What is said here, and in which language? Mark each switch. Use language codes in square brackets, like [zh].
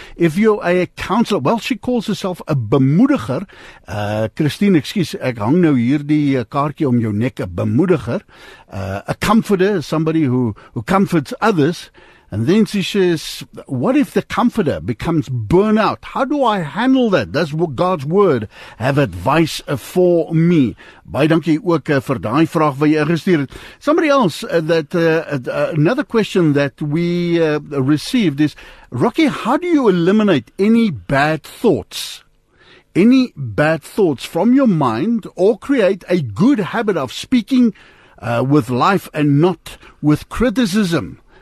[en] If you're a counselor, well, she calls herself a bemoediger. [af] Christine, excuse, ek hang nou hier die kaartje om jou nek, a bemoediger. [en] A comforter, somebody who comforts others. And then she says, what if the comforter becomes burnout? How do I handle that? Does God's word have advice for me? [af] Baie dankie ook vir daai vraag wat jy ingestuur het. [en] Somebody else, another question that we received is, Rocky, how do you eliminate any bad thoughts? Any bad thoughts from your mind, or create a good habit of speaking with life and not with criticism?